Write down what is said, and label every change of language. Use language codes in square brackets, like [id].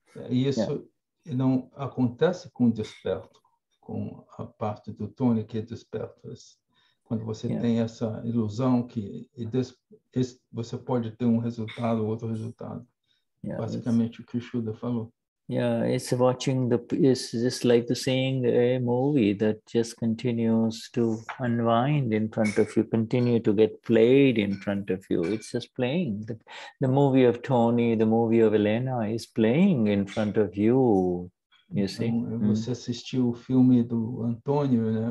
[pt] Isso não acontece com o desperto, com a parte do Tony que é desperto. Quando você tem essa ilusão que você pode ter um resultado ou outro resultado. Yeah, basicamente, o que o Shuddha falou. [en] Yeah, it's watching the... It's just like the seeing a movie that just continues to unwind in front of you, continue to get played in front of you. It's just playing. The movie of Tony, the movie of Elena is playing in front of you. You see? [pt] Então, você assistiu o filme do Antônio, né?